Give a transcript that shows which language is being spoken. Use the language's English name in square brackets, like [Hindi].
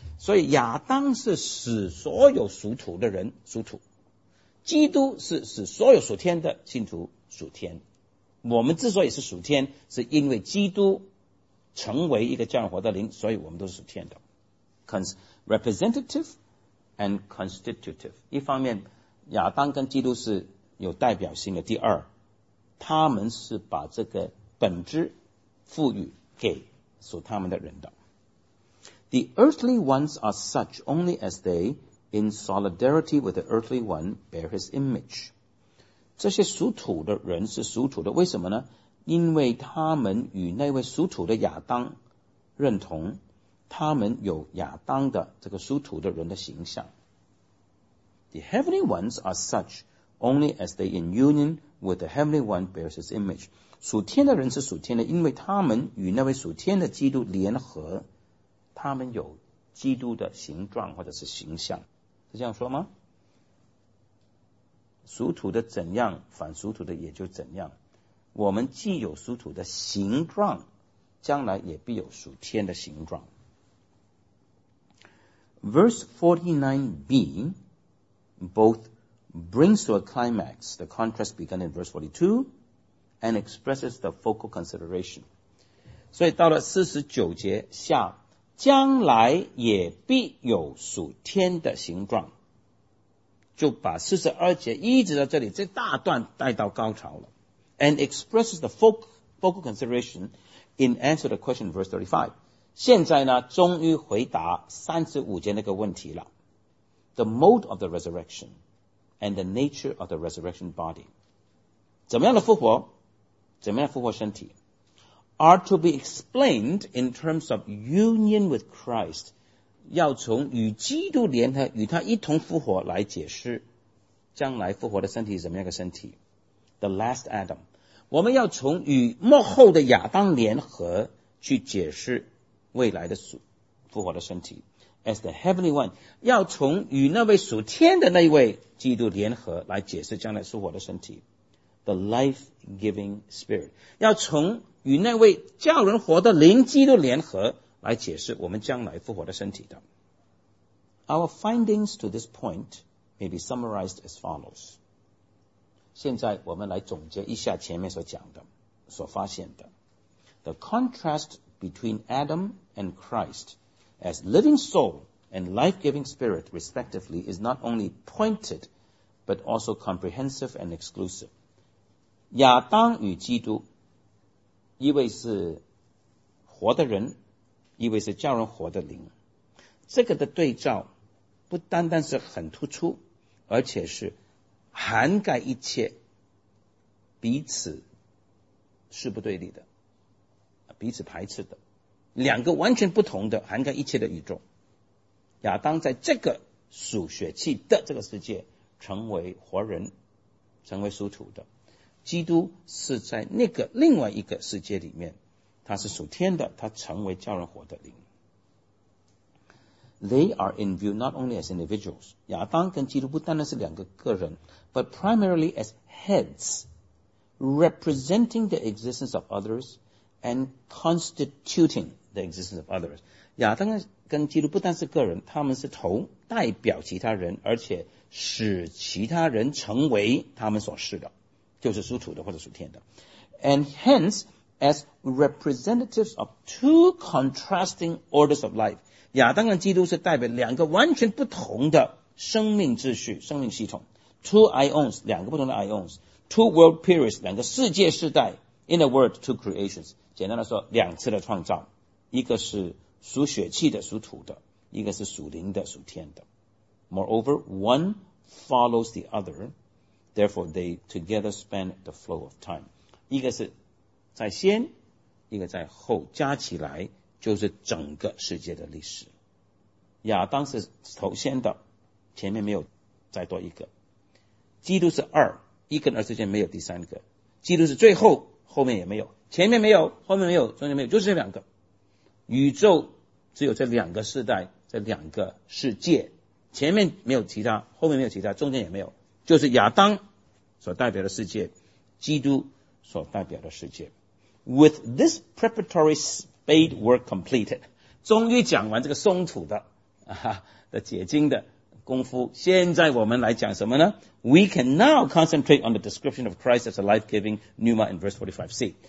[Chinese] 所以亚当是使所有属土的人属土，基督是使所有属天的信徒属天。我们之所以是属天，是因为基督成为一个降活的灵，所以我们都是属天的。 [English] Representative and constitutive. [Chinese] 一方面亚当跟基督是有代表性的，第二他们是把这个本质赋予给属他们的人的。 [English] The earthly ones are such only as they, in solidarity with the earthly one, bear his image. [Chinese] 这些属土的人是属土的，为什么呢？因为他们与那位属土的亚当认同，他们有亚当的这个属土的人的形象。 [English] The heavenly ones are such only as they in union with the heavenly one bears his image. [Chinese] 属天的人是属天的，因为他们与那位属天的基督联合，他们有基督的形状或者是形象。是这样说吗？属土的怎样，反属土的也就怎样。我们既有属土的形状，将来也必有属天的形状。 [English] Verse 49b both brings to a climax the contrast begun in verse 42 and expresses the focal consideration. [Chinese] 所以到了49节下，将来也必有属天的形状，就把42节一直到这里这大段带到高潮了。 [English] And expresses the focal consideration in answer to the question in verse 35. [Chinese] 现在呢，终于回答35节那个问题了。 [English] The mode of the resurrection and the nature of the resurrection body. [Chinese] 怎么样的复活？怎么样复活身体？ [English] Are to be explained in terms of union with Christ. [Chinese] 要从与基督联合，与他一同复活来解释，将来复活的身体是怎么样的身体？ [English] The last Adam. [Chinese] 我们要从与末后的亚当联合去解释未来的复活的身体。 [English] As the heavenly one, [Chinese] 要从与那位属天的那一位基督联合来解释将来复活的身体。 [English] The life-giving spirit, [Chinese] 要从与那位叫人活的灵基督联合来解释我们将来复活的身体的。 [English] Our findings to this point may be summarized as follows. [Chinese] 现在我们来总结一下前面所讲的所发现的 [English] The contrast between Adam and Christ as living soul and life-giving spirit respectively is not only pointed but also comprehensive and exclusive [Chinese] 亚当与基督一位是活的人一位是叫人活的灵这个的对照不单单是很突出而且是涵盖一切彼此是不对立的彼此排斥的两个完全不同的涵盖一切的宇宙亚当在这个属血气的这个世界成为活人成为属土的基督是在那个另外一个世界里面他是属天的他成为叫人活的灵 [English] They are in view not only as individuals [Chinese] 亚当跟基督不单单是两个个人 [English] but primarily as heads representing the existence of others and constituting the existence of others [Chinese] 亚当跟基督不单是个人他们是头代表其他人而且使其他人成为他们所是的就是属土的或者属天的 [English] and hence as representatives of two contrasting orders of life [Chinese] 亚当跟基督是代表两个完全不同的生命秩序生命系统 [English] two ions [Chinese] 两个不同的 [English] ions two world periods [Chinese] 两个世界世代 [English] in a word two creations [Chinese] 简单的说两次的创造一个是属血气的属土的一个是属灵的属天的 [English] moreover one follows the otherTherefore, they together span the flow of time. [Chinese] 一个是在先，一个在后，加起来就是整个世界的历史。亚当是头先的，前面没有再多一个。基督是二，一跟二之间没有第三个。基督是最后，后面也没有，前面没有，后面没有，中间没有，就是这两个。宇宙只有这两个世代，这两个世界，前面没有其他，后面没有其他，中间也没有。就是亚当所代表的世界基督所代表的世界 [English] With this preparatory spade work completed [Chinese] 终于讲完这个松土 的解经的功夫现在我们来讲什么呢 [English] We can now concentrate on the description of Christ as a life-giving pneuma in verse 45c